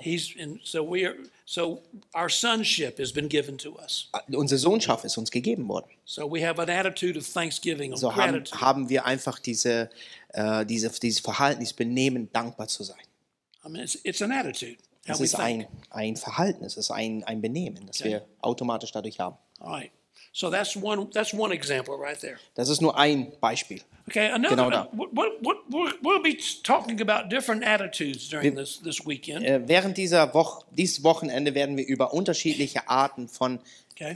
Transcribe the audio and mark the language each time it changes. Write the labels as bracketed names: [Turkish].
[English] He's in, so we are, so our sonship has been given to us. [German] Unsere Sohnschaft ist uns gegeben worden. [English] So we have an attitude of thanksgiving, so of gratitude. [German] So haben wir einfach dieses Verhalten, dieses Benehmen, dankbar zu sein. [English] I mean, it's an attitude. [German] Es ist ein Verhalten, es ist ein Benehmen, das okay. Wir automatisch dadurch haben. [English] All right. So that's one example right there. [German] Das ist nur ein Beispiel. [English] Okay, another. [German] Genau [English] we'll be talking about different attitudes during this weekend. [German] Während dieses Wochenende werden wir über unterschiedliche Arten von okay.